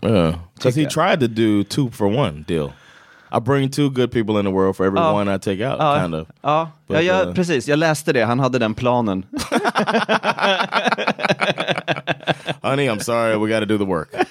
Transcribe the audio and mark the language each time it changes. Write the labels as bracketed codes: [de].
[en] Because he tried to do two for one deal. I bring two good people in the world for every one I take out, kind of. [sv] Ja, but, ja jag, precis, jag läste det, han hade den planen. [en] Honey, I'm sorry, we gotta do the work.